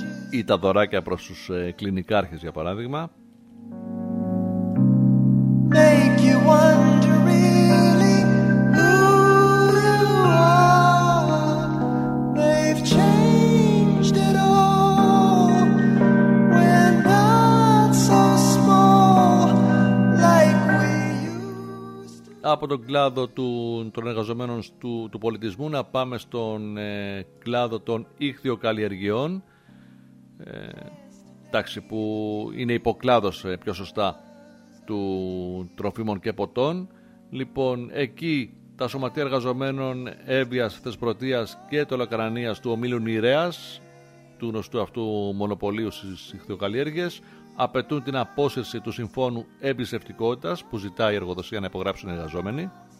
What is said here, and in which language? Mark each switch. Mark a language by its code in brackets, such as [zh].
[el] Ή τα δωράκια προς τους κλινικάρχες, για παράδειγμα. [en] Make you wonder really who you are. They've changed it all. We're not so small like we used to... [el] Από τον κλάδο των εργαζομένων του πολιτισμού, να πάμε στον κλάδο των ιχθυοκαλλιεργειών. Εντάξει, που είναι υποκλάδος πιο σωστά του τροφίμων και ποτών. Λοιπόν, εκεί τα σωματεία εργαζομένων Εύβοιας, Θεσπρωτείας και Τολοκαρανίας του ομίλου Νηρέας, του γνωστού αυτού μονοπωλίου στις ιχθυοκαλλιέργειες, απαιτούν την απόσυρση του συμφώνου εμπιστευτικότητας που ζητάει η εργοδοσία να υπογράψουν οι εργαζόμενοι.